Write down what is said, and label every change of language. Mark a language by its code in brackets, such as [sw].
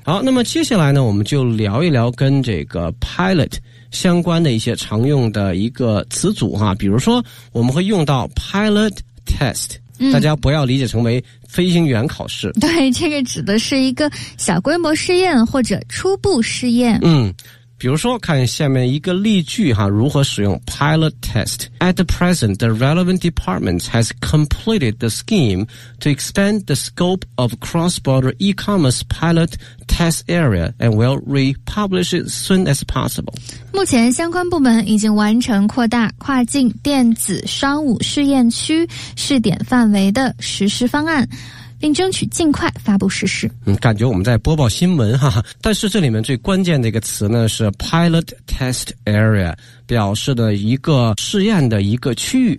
[zh] 好，那么接下来呢我们就聊一聊跟这个 pilot 相关的一些常用的一个词组哈，比如说我们会用到 pilot test，大家不要理解成为飞行员考试。对，这个指的是一个小规模试验或者初步试验。嗯，比如说看下面一个例句哈，如何使用 pilot test。 [en] At the present, the relevant departments has completed the scheme to expand the scope of cross-border e-commerce pilot test area and will republish it soon as possible。 [zh] 目前相关部门已经完成扩大跨境电子商务试验区试点范围的实施方案，并争取尽快发布实施。嗯，感觉我们在播报新闻哈，但是这里面最关键的一个词呢是 pilot test area， 表示的一个试验的一个区域。